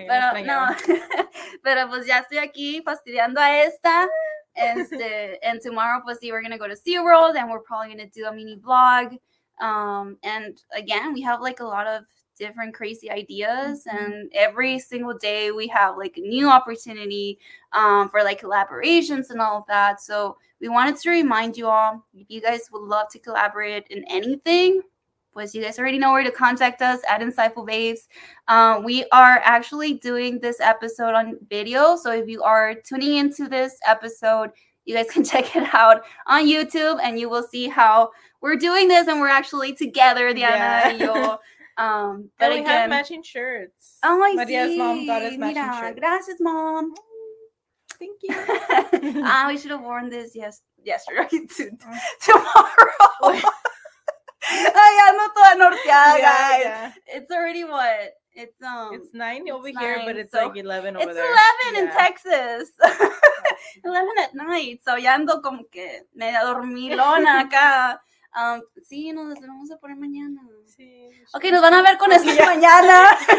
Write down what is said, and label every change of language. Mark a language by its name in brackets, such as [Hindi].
[Spanish] pero no. Pero pues ya estoy aquí fastidiando a esta. [English] And tomorrow, pussy, we're going to go to SeaWorld, and we're probably going to do a mini vlog. And again, we have like a lot of different crazy ideas, mm-hmm. and every single day we have like a new opportunity for like collaborations and all of that. So we wanted to remind you all, if you guys would love to collaborate in anything, pues you guys already know where to contact us at Insightful Babes. We are actually doing this episode on video. So if you are tuning into this episode, you guys can check it out on YouTube and you will see how we're doing this and we're actually together, Diana and yo. But and we again, have matching shirts. Oh, I see. Maria's mom got us matching shirts. Gracias, mom. Thank you. we should have worn this yesterday to tomorrow. [Spanish] Ay, ando toda norteada, guys. [English] It's already what? It's 9 over here, but it's like 11 over there. It's 11 in Texas. 11 at night. [Spanish] So ya ando como que media dormilona acá. Sí, nos vamos a poner mañana. Sí. Okay, nos van a ver con esto mañana.